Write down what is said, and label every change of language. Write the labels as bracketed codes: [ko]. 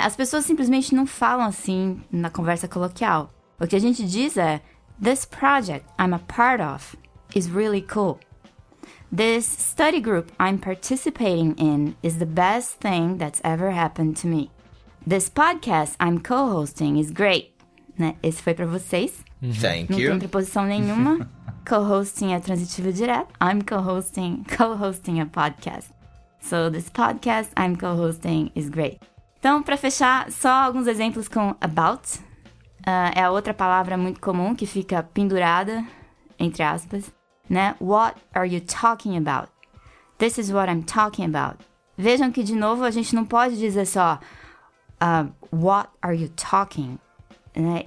[pt] As pessoas simplesmente não falam assim na conversa coloquial. O que a gente diz é: [en] this project I'm a part of is really cool. This study group I'm participating in is the best thing that's ever happened to me. This podcast I'm co-hosting is great. [pt] Né? Esse foi para vocês. [en] Thank [pt] não [en] you. [pt] Tem preposição nenhuma. Co-hosting é transitivo direto. [en] I'm co-hosting a podcast. So this podcast I'm co-hosting is great. [pt] Então, pra fechar, só alguns exemplos com about. É a outra palavra muito comum que fica pendurada, entre aspas, né? [en] What are you talking about? This is what I'm talking about. [pt] Vejam que, de novo, a gente não pode dizer só [en] what are you talking about? [pt] Né?